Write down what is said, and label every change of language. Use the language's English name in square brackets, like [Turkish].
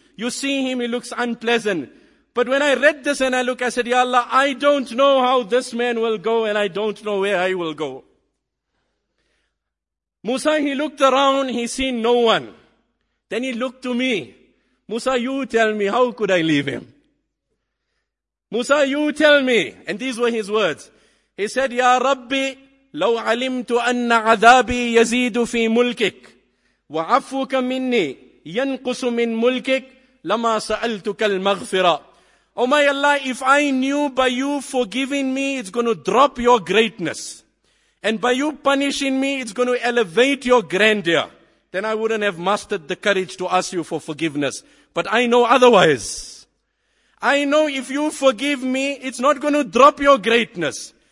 [English] You see him, he looks unpleasant. But when I read this and I look, I said, Ya Allah, I don't know how this man will go and I don't know where I will go. Musa, he looked around, he seen no one. Then he looked to me. Musa, you tell me, how could I leave him? Musa, you tell me. And these were his words. He said, Ya Rabbi, [Arabic] لو علمت أن عذابي يزيد في ملكك وعفوك مني ينقص من ملكك لما سألتك المغفرة. [English] Oh my Allah, if I knew by you forgiving me, it's going to drop your greatness. And by you punishing me, it's going to elevate your grandeur. Then I wouldn't have mastered the courage to ask you for forgiveness. But I know otherwise. I know if you forgive me, it's not going to drop your greatness.